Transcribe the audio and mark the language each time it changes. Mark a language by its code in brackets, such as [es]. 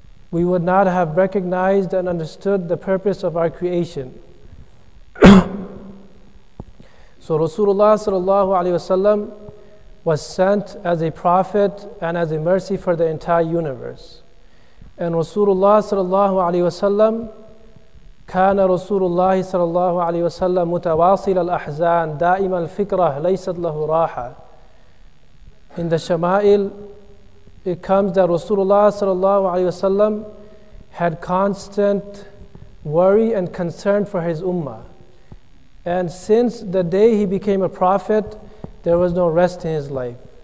[en] We would not have recognized and understood the purpose of our creation. So Rasulullah sallallahu alayhi wa sallam was sent as a prophet and as a mercy for the entire universe. And Rasulullah sallallahu alayhi wa sallam [ar] كان رسول الله صلى الله عليه وسلم متواصل الأحزان دائما الفكرة ليست له راحة. [en] In the Shama'il, it comes that Rasulullah sallallahu alayhi wasallam had constant worry and concern for his ummah. And since the day he became a prophet, there was no rest in his life.